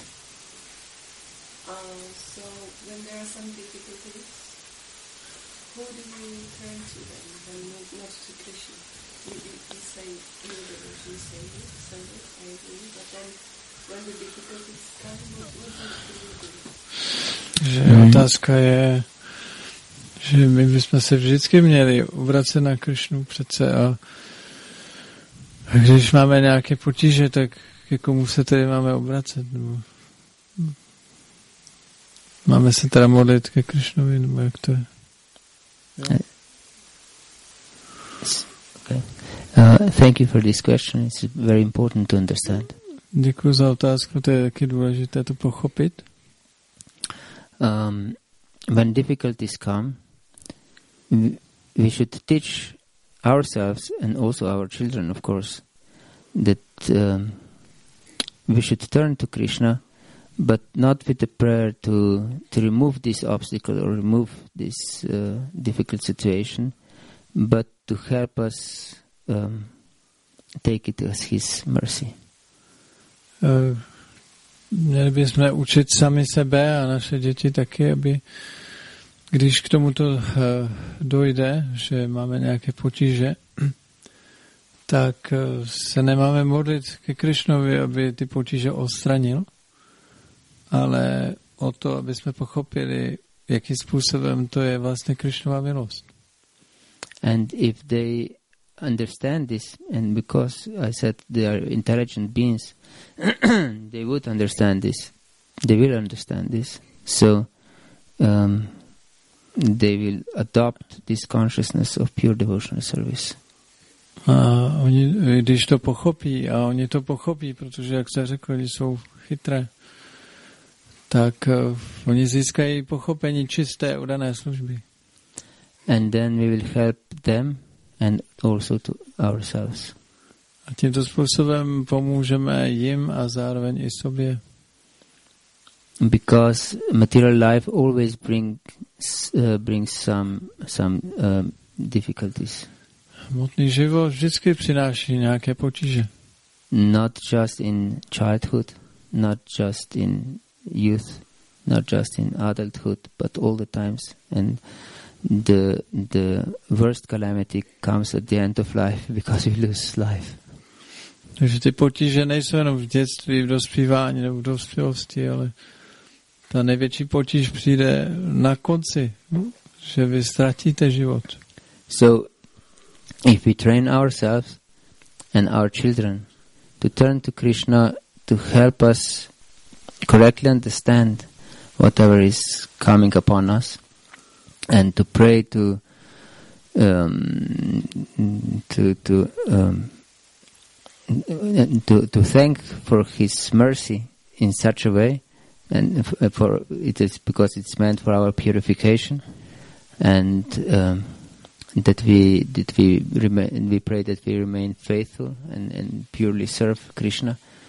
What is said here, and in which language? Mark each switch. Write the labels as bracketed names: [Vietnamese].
[English] So when there are some difficulties, who do you turn to then, when not to Krishna? You say, you know, you say it, send it, I agree, but then when the difficulties come, what do you do? [Czech] Že otázka je, že my bychom se vždycky měli obracet na Krishnu přece, a když máme nějaké potíže, tak ke komu se tedy máme obracet? Nebo máme se teda modlit ke Krishnovi, nebo jak to je? [English] Thank you for this question. It's very important to understand. [Czech] Děkuji za otázku, to je taky důležité to pochopit. [English] When difficulties come, we should teach ourselves and also our children, of course, that we should turn to Krishna, but not with the prayer to remove this obstacle or remove this difficult situation, but to help us take it as His mercy. [Czech] Měli bychom učit sami sebe a naše děti taky, aby když k tomuto dojde, že máme nějaké potíže, tak se nemáme modlit ke Krišnovi, aby ty potíže odstranil, ale o to, aby jsme pochopili, jakým způsobem to je vlastně Krišnova milost. [English] And if they understand this, and because I said they are intelligent beings, they would understand this. They will understand this. So they will adopt this consciousness of pure devotional service. [Czech] A oni, když to pochopí, a oni to pochopí, protože, jak jste řekl, oni jsou chytré, tak oni získají pochopení čisté udané služby. [English] And then we will help them and also to ourselves. [Czech] A tímto způsobem pomůžeme jim a zároveň i sobě. [English] Because material life always brings some difficulties. [Czech] Hmotný život vždycky přináší nějaké potíže. [English] Not just in childhood, not just in youth, not just in adulthood, but all the times. And the worst calamity comes at the end of life because we lose life. [Czech] Takže ty potíže nejsou jenom v dětství, v dospívání nebo v dospělosti, ale ta největší potíž přijde na konci, že vy ztratíte život. [English] So If we train ourselves and our children to turn to Krishna to help us correctly understand whatever is coming upon us, and to pray to thank for His mercy in such a way, and for it is because it's meant for our purification, and that we pray that we remain faithful and purely serve Krishna.